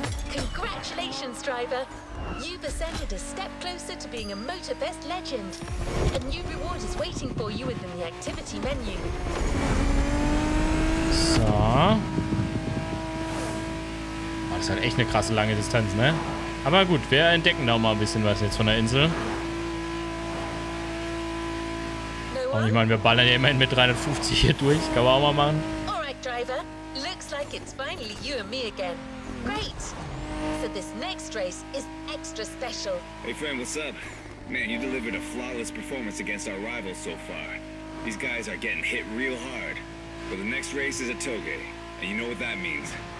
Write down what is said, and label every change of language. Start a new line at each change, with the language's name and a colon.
English: Congratulations, driver. You've ascended a step closer to being a Motorfest legend. A new reward is waiting for you within the activity menu.
German: So. Boah, das hat echt eine krasse lange Distanz, ne? Aber gut, wir entdecken da auch mal ein bisschen was jetzt von der Insel. Und ich meine, wir ballern ja immerhin mit 350 hier durch. Kann man auch mal machen.
English: Alright, driver. Looks like it's finally you and me again. Great. So this next race is extra special. Hey friend, what's up? Man, you delivered a flawless performance against our rivals so far. These guys are getting hit real hard. But the next race is a toge. And you know what that means.